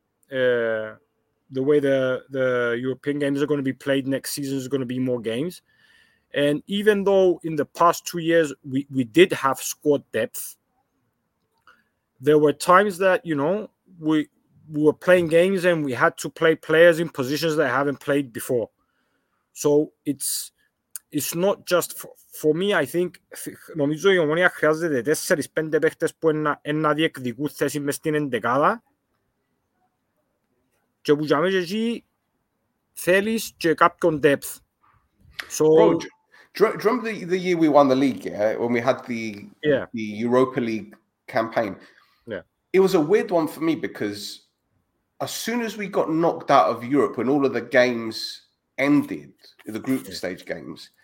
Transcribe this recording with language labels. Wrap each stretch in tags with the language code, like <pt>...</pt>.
<en>The way the European games are going to be played next season is going to be more games. And even though in the past 2 years we did have squad depth, there were times that, you know, we were playing games and we had to play players in positions that I haven't played before. So it's not just for me. I think</en> <el>νομίζω η Ομόνια χρειάζεται 4-5 παίχτες που να διεκδικούν θέση μες στην ενδεκάδα. Και που για μέσα εσύ θέλεις και κάποιον depth.</el> <en>So, Do you remember the year we won the league, yeah? When we had the Europa League campaign? Yeah. It was a weird one for me because as soon as we got knocked out of Europe and all of the games ended, the group stage games,</en>